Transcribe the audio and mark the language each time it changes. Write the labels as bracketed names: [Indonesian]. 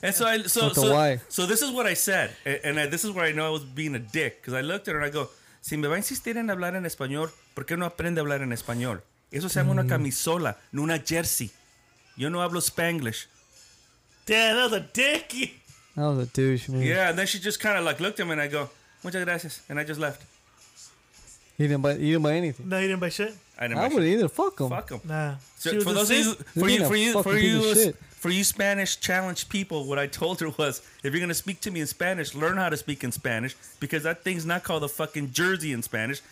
[English] And so So this is what I said. And this is where I know I was being a dick. Because I looked at her and I go, [Spanish] si me va a insistir en hablar en español, ¿por qué no aprende a hablar en español? Eso se llama una camisola, no una jersey. Yo no hablo Spanglish. [English] Damn, that was a dick. That was a douche, man. Yeah, and then she just kind of like looked at me and I go, [Spanish] muchas gracias. [English] And I just left. You didn't buy anything. No, you didn't buy shit. I wouldn't either. Fuck them. Fuck them. Nah. So for you Spanish challenge people, what I told her was, if you're gonna speak to me in Spanish, learn how to speak in Spanish, because that thing's not called a fucking jersey in Spanish.